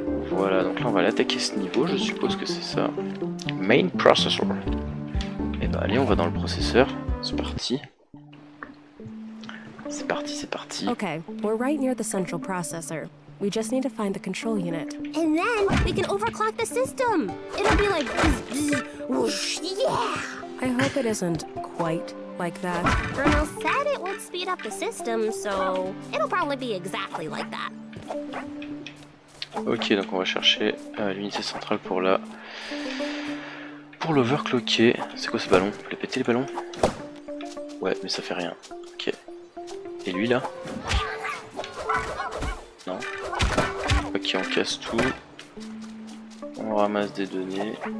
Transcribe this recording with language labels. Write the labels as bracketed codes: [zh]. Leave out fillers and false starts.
[fr] Voilà, donc là on va l'attaquer ce niveau, je suppose que c'est ça. [en] Main processor. [fr] Et bah allez, on va dans le processeur, c'est parti. C'est parti, c'est parti. [en] Okay, we're right near the central processor. We just need to find the control unit. And then we can overclock the system. It'll be like bzz, bzz, whoosh, yeah. I hope it isn't quite like that. Bruno said it would speed up the system, so it'll probably be exactly like that. [fr] Ok, donc on va chercher l'unité centrale pour la pour l'overclocker. C'est quoi ce ballon? Vous voulez péter les ballons? Ouais, mais ça fait rien. Et lui là? Non. Ok, on casse tout. On ramasse des données.